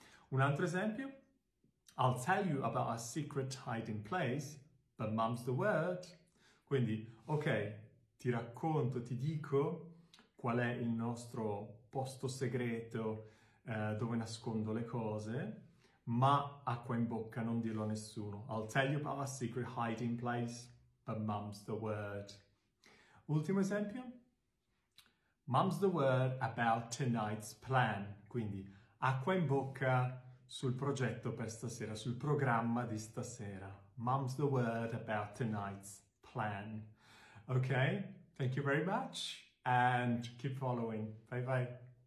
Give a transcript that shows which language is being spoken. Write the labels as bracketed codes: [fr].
[it] Un altro esempio, [en] I'll tell you about a secret hiding place, but mum's the word. [it] Quindi, ok, ti racconto, ti dico qual è il nostro posto segreto. Dove nascondo le cose, ma acqua in bocca, non dirlo a nessuno. [en] I'll tell you about a secret hiding place, but mum's the word. [it] Ultimo esempio. [en] Mum's the word about tonight's plan. [it] Quindi acqua in bocca sul progetto per stasera, sul programma di stasera. [en] Mum's the word about tonight's plan. Ok, thank you very much and keep following. Bye bye.